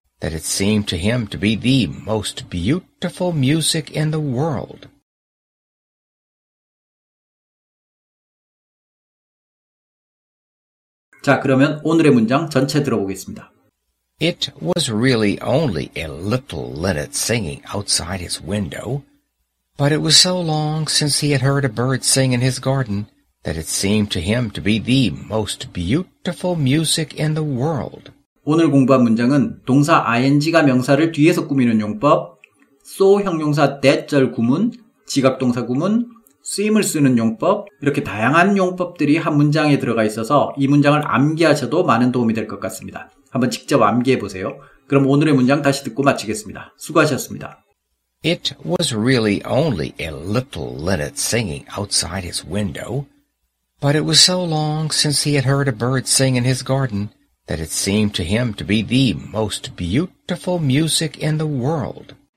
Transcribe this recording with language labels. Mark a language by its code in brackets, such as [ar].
[en] That it seemed to him to be the most beautiful music in the world. [ko] 자, 그러면 오늘의 문장 전체 들어보겠습니다. [en] It was really only a little linnet singing outside his window, but it was so long since he had heard a bird sing in his garden that it seemed to him to be the most beautiful music in the world. [ko] 오늘 공부한 문장은 동사 ing가 명사를 뒤에서 꾸미는 용법, so 형용사 that절 구문, 지각동사 구문, seem을 쓰는 용법, 이렇게 다양한 용법들이 한 문장에 들어가 있어서 이 문장을 암기하셔도 많은 도움이 될 것 같습니다. 한번 직접 암기해 보세요. 그럼 오늘의 문장 다시 듣고 마치겠습니다. 수고하셨습니다. [en] It was really only a little linnet singing outside his window, but it was so long since he had heard a bird sing in his garden that it seemed to him to be the most beautiful music in the world.